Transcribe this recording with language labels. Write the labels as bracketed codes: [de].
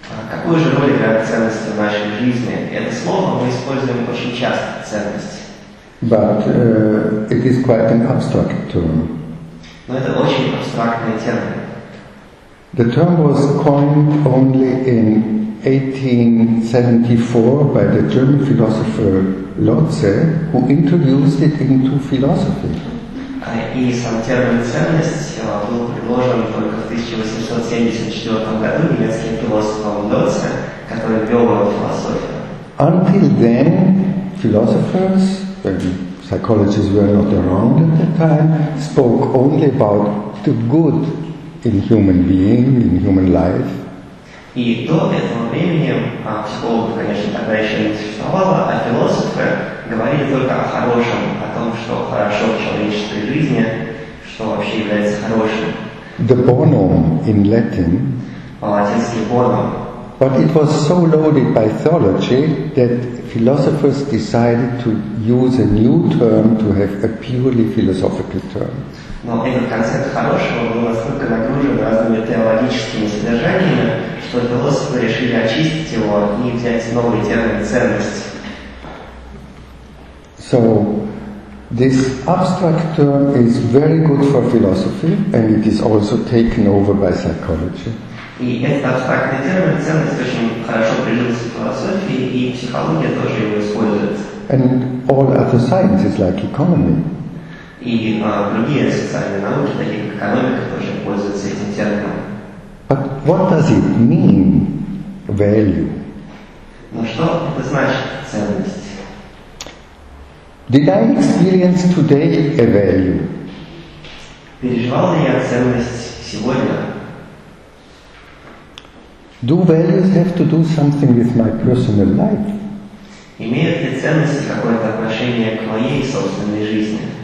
[ru] Какую же роль играют ценности в нашей жизни? Это слово мы используем очень часто, ценности. [en] But it is quite an abstract term. [ru] Но это очень абстрактный термин. [en] The term was coined only in 1874 by the German philosopher Lotze, who introduced it into philosophy. [ru] И сам термин ценность был предложен только в 1874 году немецким философом Лотце, который ввел его в философию. [en] Until then, philosophers psychologists were not around at that time, spoke only about the good in human being, in human life. [ru] И до этого времени психологи, конечно, тогда еще не существовало, а философы говорили только о хорошем, о том, что хорошо в человеческой жизни, что вообще является хорошим. [en] The bonum in Latin. [ru] По-латински bonum. [en] But it was so loaded by theology that philosophers decided to use a new term to have a purely philosophical term. [ru] Но этот концепт хорошего был настолько нагружен разными теологическими содержаниями, что философы решили очистить его и взять новый термин ценности. [en] So, this abstract term is very good for philosophy, and it is also taken over by psychology. [ru] И этот абстрактный термин ценность очень хорошо прижился в философии, и психология тоже его использует. [en] And all other sciences, like economy. [ru] И другие социальные науки, такие как экономика, тоже пользуются этим термином. [en] But does it mean value? [ru] Ну что это значит ценность? [en] Did I experience today a value? [ru] Переживал ли я ценность сегодня? [en] Do values have to do something with my personal life? [ru] Имеет ли ценность какое-то отношение к моей собственной жизни?